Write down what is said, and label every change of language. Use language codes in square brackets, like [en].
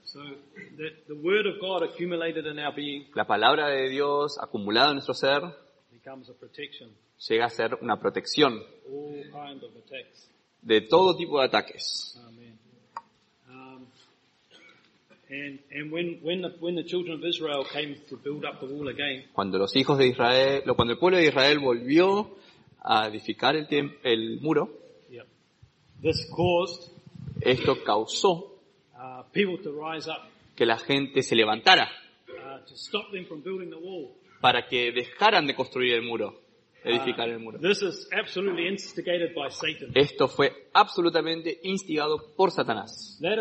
[en] So the word of God accumulated in our being. [es] La palabra de Dios acumulada en nuestro ser [en] becomes a protection. [es] Llega a ser una protección. [en] All kind of attacks. [es] De todo tipo de ataques. [en] Amen. And when the children of Israel came to build up the wall again. [es] Cuando los hijos de Israel, cuando el pueblo de Israel volvió a edificar el muro. [en] This caused [es] esto causó [en] people to rise up, [es] que la gente se levantara [en] to stop them from building the wall. [es] Para que dejaran de construir el muro, edificar el muro. [en] This is absolutely instigated by Satan. [es] Esto fue absolutamente instigado por Satanás.